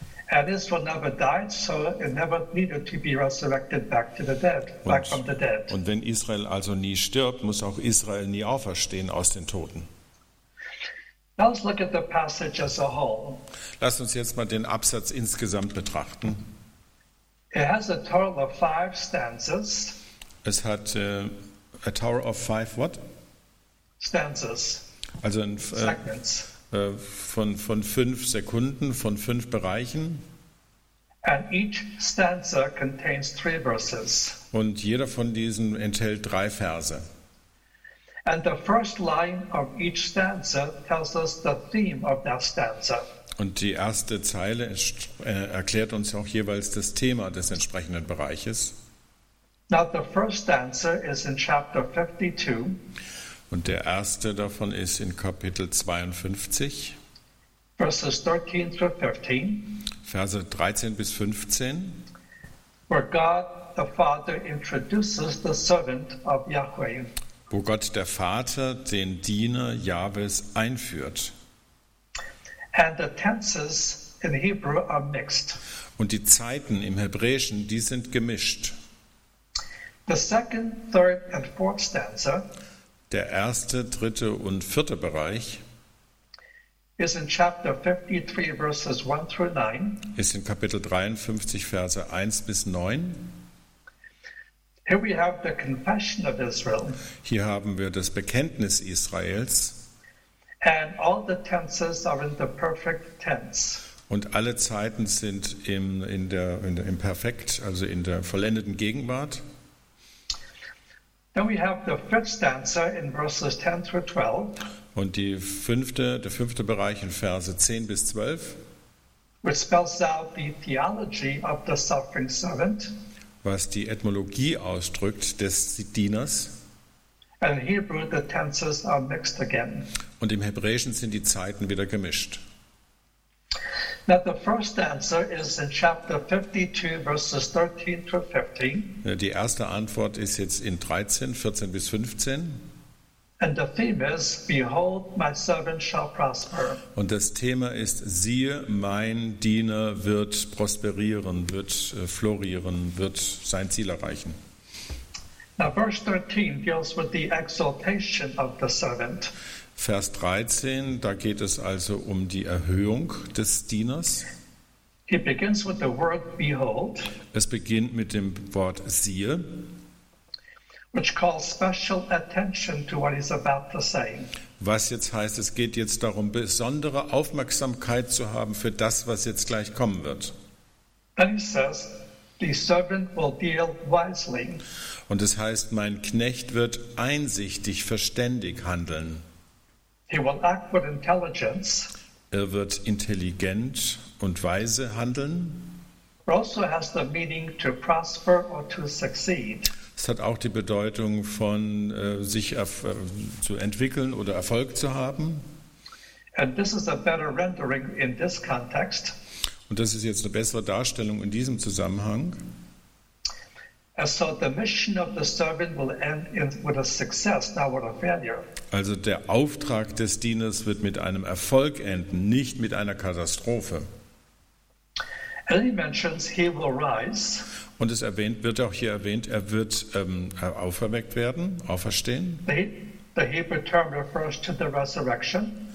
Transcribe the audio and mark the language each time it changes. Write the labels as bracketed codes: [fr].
[en] And Israel never died, so it never needed to be resurrected back to the dead, back from the dead. [de] Und wenn Israel also nie stirbt, muss auch Israel nie auferstehen aus den Toten. [en] Let's look at the passage as a whole. [de] Lass uns jetzt mal den Absatz insgesamt betrachten. [en] It has a total of five stanzas. [de] Es hat [en] a total of five what? Stanzas. Also in segments. [de] Von fünf Sekunden, von fünf Bereichen. [en] And each stanza contains three verses. [de] Und jeder von diesen enthält drei Verse. [en] And the first line of each stanza tells us the theme of that stanza. [de] Und die erste Zeile erklärt uns auch jeweils das Thema des entsprechenden Bereiches. [en] Now the first stanza is in chapter 52. [de] Und der erste davon ist in Kapitel 52. [en] Verses 13 through 15. [de] Verse 13 bis 15. [en] Where God the Father introduces the servant of Yahweh. [de] Wo Gott der Vater den Diener Jahwes einführt. [en] And the tenses in Hebrew are mixed. [de] Und die Zeiten im Hebräischen, die sind gemischt. [en] The second, third and fourth stanza. [de] Der erste, dritte und vierte Bereich. [en] Is in chapter 53 verses 1 through 9. [de] Ist in Kapitel 53 Verse 1 bis 9. [en] Here we have the confession of Israel. [de] Hier haben wir das Bekenntnis Israels. [en] And all the tenses are in the perfect tense. [de] Und alle Zeiten sind im Perfekt, also in der vollendeten Gegenwart. [en] Then we have the fifth stanza in verses 10 through 12. [de] Und der fünfte Bereich in Verse 10 bis 12. [en] Which spells out the theology of the suffering servant. [de] Was die Etymologie ausdrückt des Dieners. [en] In Hebrew the tenses are mixed again. [de] Und im Hebräischen sind die Zeiten wieder gemischt. [en] Now the first answer is in chapter 52 verses 13 to 15. [de] Die erste Antwort ist jetzt in 13, 14 bis 15. [en] And the theme is, behold, my servant shall prosper. [de] Und das Thema ist, siehe, mein Diener wird prosperieren, wird florieren, wird sein Ziel erreichen. [en] Now verse 13 deals with the exaltation of the servant. [de] Vers 13, da geht es also um die Erhöhung des Dieners. [en] He begins with the word behold. [de] Es beginnt mit dem Wort siehe. [en] Which calls special attention to what he's about to say. [de] Was jetzt heißt, es geht jetzt darum, besondere Aufmerksamkeit zu haben für das, was jetzt gleich kommen wird. [en] Then he says, The servant will deal wisely. [de] Und es heißt, mein Knecht wird einsichtig, verständig handeln. [en] He will act with intelligence. [de] Er wird intelligent und weise handeln. [en] It also has the meaning to prosper or to succeed. [de] Es hat auch die Bedeutung von zu entwickeln oder Erfolg zu haben. [en] And this is a better rendering in this context. [de] Und das ist jetzt eine bessere Darstellung in diesem Zusammenhang. [en] So the mission of the servant will end with a success, not with a failure. [de] Also der Auftrag des Dieners wird mit einem Erfolg enden, nicht mit einer Katastrophe. [en] And he mentions he will rise. [de] Und es erwähnt, wird auch hier erwähnt, er wird auferweckt werden, auferstehen. [en] The Hebrew term refers to the resurrection.